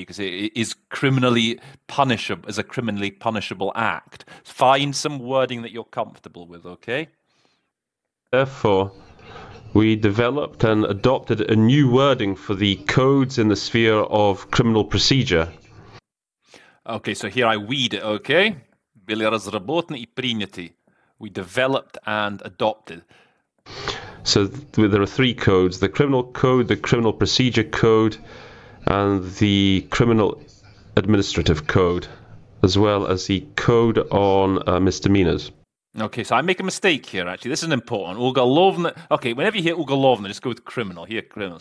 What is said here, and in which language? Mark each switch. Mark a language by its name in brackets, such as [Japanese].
[English] Because it is criminally punishable, is a criminally punishable act. Find some wording that you're comfortable with, okay? Therefore, we developed and adopted a new wording for the codes in the sphere of criminal procedure. Okay, so here I weed it, okay? [Russian] Были разработаны и приняты. [English] We developed and adopted. So there are three codes: the criminal code, the criminal procedure code, and the criminal administrative code, as well as the code on misdemeanors. Okay, so I make a mistake here, actually. This is important. Уголовно. Okay, whenever you hear уголовно, just go with criminal. Here, criminal.